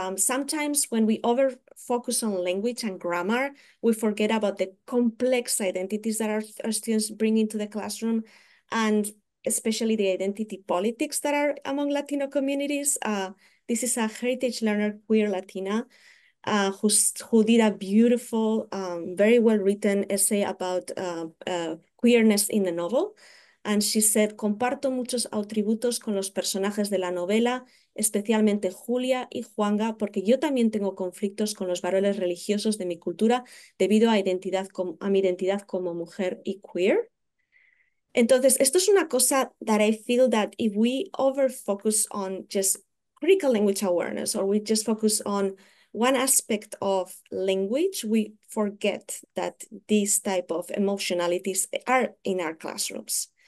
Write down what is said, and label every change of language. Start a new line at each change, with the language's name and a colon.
English: Sometimes when we over focus on language and grammar, we forget about the complex identities that our students bring into the classroom, and especially the identity politics that are among Latino communities. This is a heritage learner, queer Latina, who did a beautiful, very well-written essay about queerness in the novel. And she said,
Spanish: comparto muchos atributos con los personajes de la novela, especialmente Julia y Juanga, porque yo también tengo conflictos con los varones religiosos de mi cultura debido a mi identidad como mujer y queer. Entonces, esto es una cosa
English: that I feel that if we over-focus on just critical language awareness or we just focus on one aspect of language, we forget that these type of emotionalities are in our classrooms.